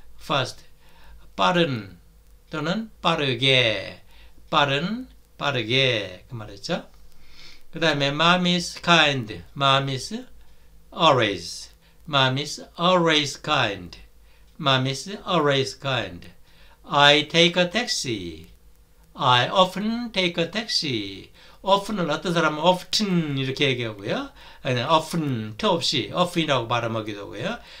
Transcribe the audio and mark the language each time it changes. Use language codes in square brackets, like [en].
[ko] First, 빠른 또는 빠르게, 빠른 빠르게 그 말했죠. 그 다음에 [en] mom is kind, mom is always, mom is always kind, mom is always kind. I take a taxi, I often take a taxi. [ko] Often은 어떤 사람은 often 이렇게 얘기하고요, 아니 often 터 없이 often이라고 발음하기도 하고요.